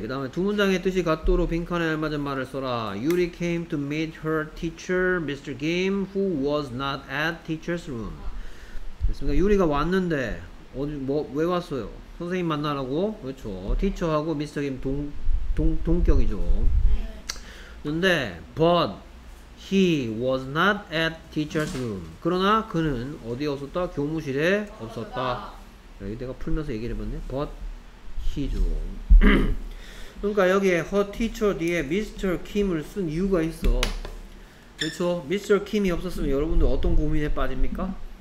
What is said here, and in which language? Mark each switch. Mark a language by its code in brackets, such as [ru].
[ko] 그다음에 두 문장의 뜻이 같도록 빈칸에 알맞은 말을 써라. [en] Yuri came to meet her teacher, Mr. Kim, who was not at teacher's room. [ko] 됐습니까? 유리가 왔는데 어디 뭐 왜 왔어요? 선생님 만나라고. 그렇죠. 티처하고 미스터 김 동격이죠. 근데 [en] but he was not at teacher's room. [ko] 그러나 그는 어디에 없었다? 교무실에 없었다. 여기 내가 풀면서 얘기를 해봤네. [en] but he [ko] 죠. 그러니까 여기에 [en] her teacher [ko] 뒤에 Mr. Kim을 쓴 이유가 있어. 그렇죠. Mr. Kim이 없었으면 여러분들 어떤 고민에 빠집니까?